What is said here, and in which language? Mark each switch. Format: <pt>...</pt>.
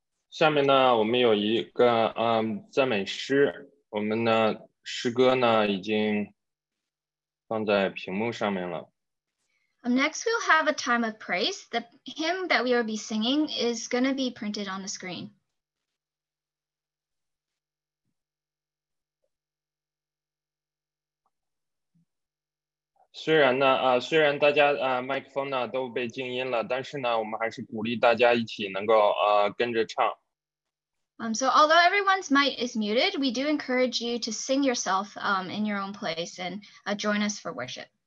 <zh>下面呢，我们有一个赞美诗，我们的诗歌呢已经放在屏幕上面了。</zh> <en>Next, we'll have a time of praise. The hymn that we will be singing is going to be printed on the screen.</en> <zh>虽然呢，虽然大家麦克风呢都被静音了，但是呢，我们还是鼓励大家一起能够跟着唱。</zh> <en>So although everyone's mic is muted, we do encourage you to sing yourself in your own place and join us for worship.</en>